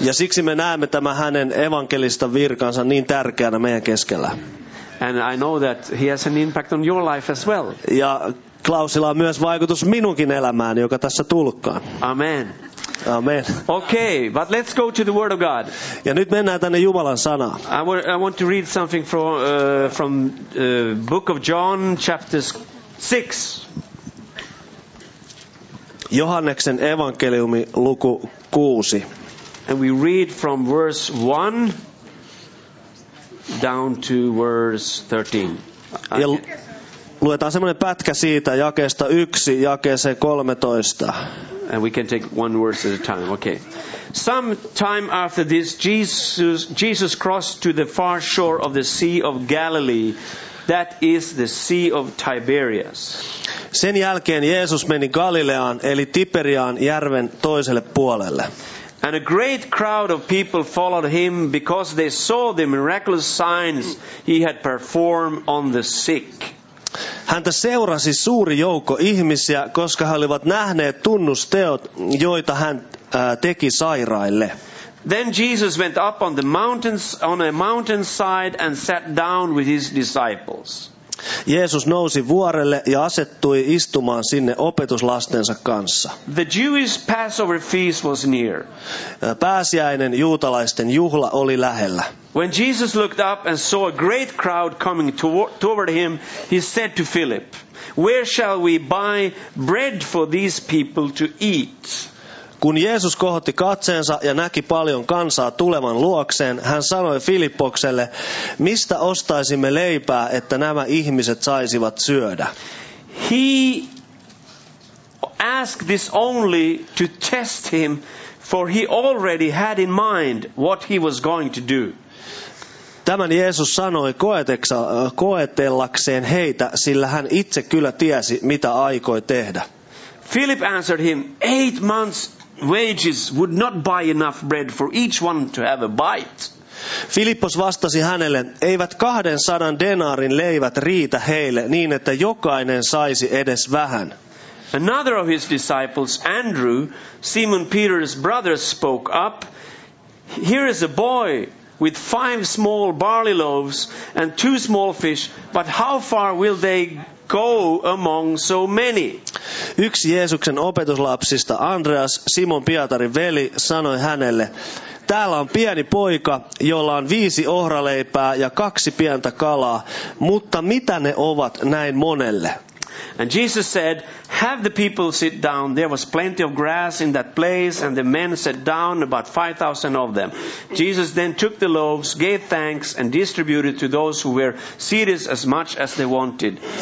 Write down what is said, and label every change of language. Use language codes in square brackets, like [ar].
[fi] Ja siksi me näemme tämän hänen evankelista virkansa niin tärkeänä meidän keskellä. [en] And I know that he has an impact on your life as well. [fi] Ja Klausilla on myös vaikutus minunkin elämään, joka tässä tulkkaan. Amen. Amen. [en] Okay, but let's go to the Word of God. [fi] Ja nyt mennään tänne Jumalan sanaan. [en] I want to read something from Book of John, chapter 6. [fi] Johanneksen evankeliumi luku 6. [en] And we read from verse 1 down to verse 13. [fi] Ja luetaan semmoinen pätkä siitä jakeesta 1 jakeeseen 13. [en] And we can take one verse at a time. Okay. Some time after this, Jesus crossed to the far shore of the Sea of Galilee. That is the Sea of Tiberias. [fi] Sen jälkeen Jeesus meni Galileaan, eli Tiberiaan järven toiselle puolelle. [en] And a great crowd of people followed him because they saw the miraculous signs he had performed on the sick. [fi] Häntä seurasi suuri joukko ihmisiä, koska he olivat nähneet tunnusteot, joita hän teki sairaille. [en] Then Jesus went up on the mountains on a mountainside and sat down with his disciples. [fi] Jeesus nousi vuorelle ja asettui istumaan sinne opetuslastensa kanssa. [en] The Jewish Passover feast was near. [fi] Pääsiäinen juutalaisten juhla oli lähellä. [en] When Jesus looked up and saw a great crowd coming toward him, he said to Philip, "Where shall we buy bread for these people to eat?" [fi] Kun Jeesus kohotti katseensa ja näki paljon kansaa tulevan luokseen, hän sanoi Filippokselle, mistä ostaisimme leipää, että nämä ihmiset saisivat syödä. [en] He asked this only to test him, for he already had in mind what he was going to do. [fi] Tämän Jeesus sanoi koetellakseen heitä, sillä hän itse kyllä tiesi, mitä aikoi tehdä. [en] Philip answered him, 8 months wages would not buy enough bread for each one to have a bite. [fi] Filippos vastasi hänelle, eivät 200 denaarin leivät riitä heille niin, että jokainen saisi edes vähän. [en] Another of his disciples, Andrew, Simon Peter's brother, spoke up. Here is a boy with 5 small barley loaves and 2 small fish, but how far will they go among so many? [fi] Yksi Jeesuksen opetuslapsista, Andreas, Simon Pietarin veli, sanoi hänelle, täällä on pieni poika, jolla on 5 ohraleipää ja 2 pientä kalaa, mutta mitä ne ovat näin monelle? [en] And Jesus said, have the people sit down. There was plenty of grass in that place, and the men sat down, about 5,000 of them. Jesus then took the loaves, gave thanks, and distributed to those who were seated as much as they wanted.